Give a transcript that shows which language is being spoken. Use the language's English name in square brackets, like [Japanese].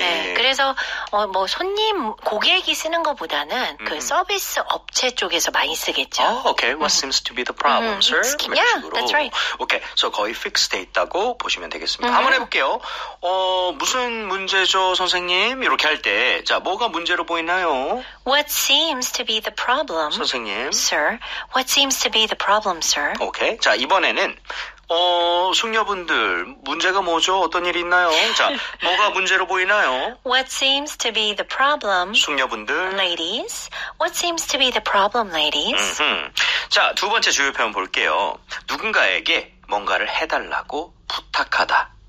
[Korean] 네, 그래서 뭐 손님 고객이 쓰는 것보다는 그 서비스 업체 쪽에서 많이 쓰겠죠. [English] Oh, okay. What seems to be the problem, sir? Yeah, that's right. Okay. [Korean] So 거의 픽스돼 있다고 보시면 되겠습니다. 한번 해볼게요. 무슨 문제죠, 선생님? 이렇게 할 때, 자 뭐가 문제로 보이나요? [English] What seems to be the problem, [Korean] 선생님? [English] Sir, what seems to be the problem, sir? Okay. [Korean] 자 이번에는 숙녀분들, 문제가 뭐죠? 어떤 일이 있나요? 자, 뭐가 문제로 보이나요? [English] What seems to be the problem? [Korean] 숙녀분들. [English] Ladies. What seems to be the problem, ladies? [Korean] 자, 두 번째 주요 표현 볼게요. 누군가에게 뭔가를 해달라고 부탁하다.